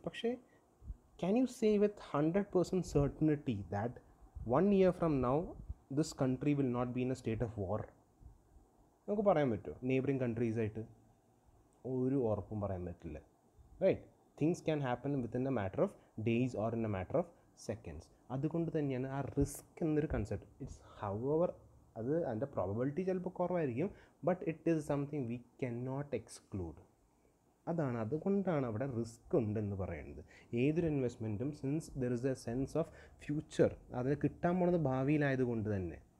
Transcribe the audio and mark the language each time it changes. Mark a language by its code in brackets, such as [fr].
[en] പക്ഷേ can you save with 100% certainty that 1 year from now this country will not be in a state of war? [ml] നമുക്ക് പറയാൻ പറ്റുമോ? Neighbouring കൺട്രീസായിട്ട് ഒരു ഉറപ്പും പറയാൻ പറ്റില്ല, right? [en] Things can happen within a matter of days or in a matter of seconds. [ml] അതുകൊണ്ട് തന്നെയാണ് ആ റിസ്ക് എന്നൊരു കൺസെപ്റ്റ്. ഇറ്റ്സ് ഹൗവർ അത് അതിൻ്റെ പ്രോബബിലിറ്റി ചിലപ്പോൾ കുറവായിരിക്കും, [en] But it is something we can not exclude. [ml] അതാണ്, അതുകൊണ്ടാണ് അവിടെ റിസ്ക് ഉണ്ടെന്ന് പറയുന്നത്. ഏതൊരു ഇൻവെസ്റ്റ്മെൻറ്റും [en] since there is a sense of future, [ml] അതിന് കിട്ടാൻ പോണത് ഭാവിയിലായതുകൊണ്ട് തന്നെ.